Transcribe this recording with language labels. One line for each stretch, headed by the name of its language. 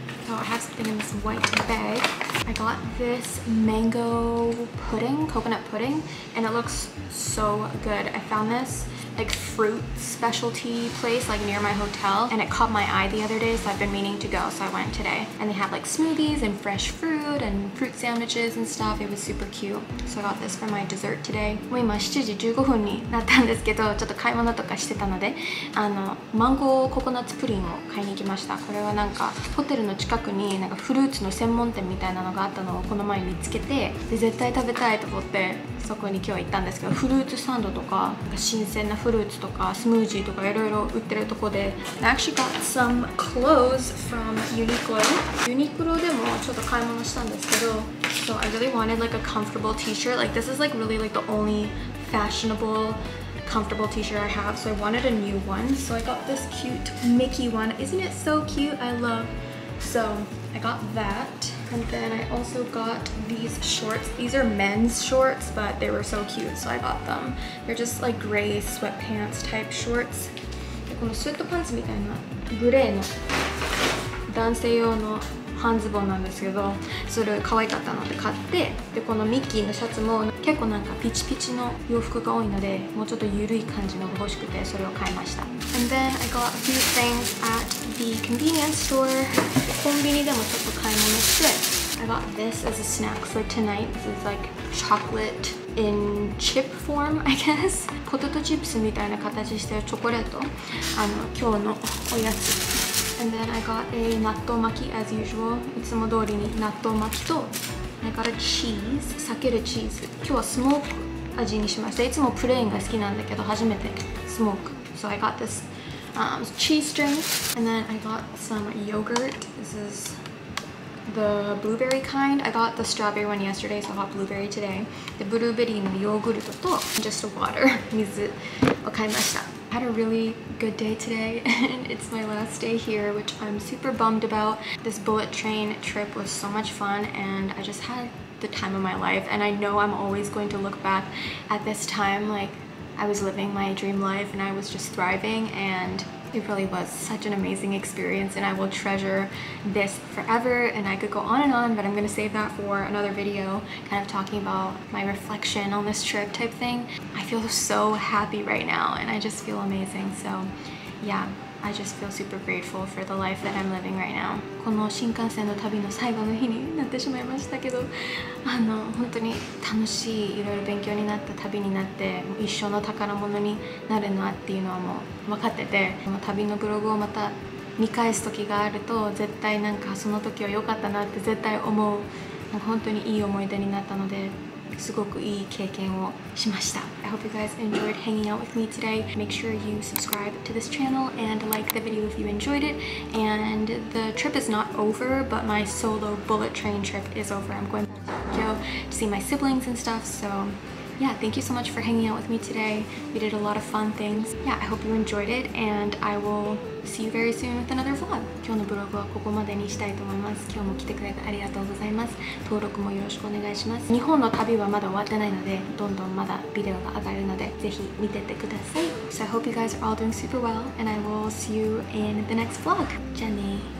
English: So I have something in this white bag. I got this mango pudding, coconut pudding, and it looks so good. I found this like fruit specialty place like near my hotel, and it caught my eye the other day, so I've been meaning to go, so I went today. And they have like smoothies and fresh fruit and fruit sandwiches and stuff. It was super cute. So I got this for my dessert today.
Japanese: もう今7時15分になったんですけど、ちょっと買い物とかしてたので、あのマンゴーココナッツプリンを買いに行きました。これはなんかホテルの近くになんかフルーツの専門店みたいなのがあったのをこの前見つけて、で絶対食べたいと思ってそこに今日行ったんですけど、フルーツサンドとか、 なんか新鮮なフルーツとかスムージーとかいろいろ売ってるとこで、
English: I actually got some clothes from Uniqlo. Uniqlo
Japanese: でもちょっと買い物したんですけど、
English: So I really wanted like a comfortable t-shirt. Like this is like really like the only fashionable comfortable t-shirt I have, so I wanted a new one. So I got this cute Mickey one. Isn't it so cute? I love. So I got that, and then I also got these shorts. These are men's shorts, but they were so cute, so I got them. They're just like gray sweatpants type shorts.
Japanese: このスウェットパンツみたいなグレーの男性用の半ズボンなんですけど、それ可愛かったので買って、でこのミッキーのシャツも結構なんかピチピチの洋服が多いので、もうちょっと緩い感じのが欲しくてそれを買いました。
English: And then I got a few things at the convenience store.
Japanese: コンビニでもちょっと買い物して、
English: I got this as a snack for tonight. This is like chocolate in chip form, I guess.
Japanese: ポテトチップスみたいな形してるチョコレート、あの今日のおやつ。
English: And then I got a 納豆巻き as usual.
Japanese: いつも通りに納豆巻きと、
English: I got a cheese,
Japanese: 避けるチーズ。今日はスモーク味にしました。いつもプレーンが好きなんだけど、初めてスモーク。
English: So I got this cheese string. And then I got some yogurt. This is the blueberry kind. I got the strawberry one yesterday, so I got blueberry today. The blueberry
Japanese: のヨーグルトと、
English: just water,
Japanese: 水を買いました。
English: I had a really good day today, and it's my last day here, which I'm super bummed about. This bullet train trip was so much fun, and I just had the time of my life. And I know I'm always going to look back at this time like I was living my dream life and I was just thriving, and it really was such an amazing experience, and I will treasure this forever. And I could go on and on, but I'm gonna save that for another video, kind of talking about my reflection on this trip type thing. I feel so happy right now, and I just feel amazing. So yeah, I just feel super grateful for the life that I'm living right now.
Japanese: この新幹線の旅の最後の日になってしまいましたけど、あの本当に楽しい、いろいろ勉強になった旅になって、一生の宝物になるなっていうのはもう分かってて、この旅のブログをまた見返す時があると、絶対なんかその時は良かったなって絶対思う。なんか本当にいい思い出になったので、すごくいい経験をしました。
English: I hope you guys enjoyed hanging out with me today. Make sure you subscribe to this channel and like the video if you enjoyed it. And the trip is not over, but my solo bullet train trip is over. I'm going back to Tokyo to see my siblings and stuff. So yeah, thank you so much for hanging out with me today. We did a lot of fun things. Yeah, I hope you enjoyed it, and I will see you very soon with another vlog.
Japanese: 今日のブログはここまでにしたいと思います。今日も来てくれてありがとうございます。登録もよろしくお願いします。日本の旅はまだ終わってないので、どんどんまだビデオが上がるので、ぜひ見ててください。
English: So I hope you guys are all doing super well, and I will see you in the next vlog.
Japanese: じゃあね。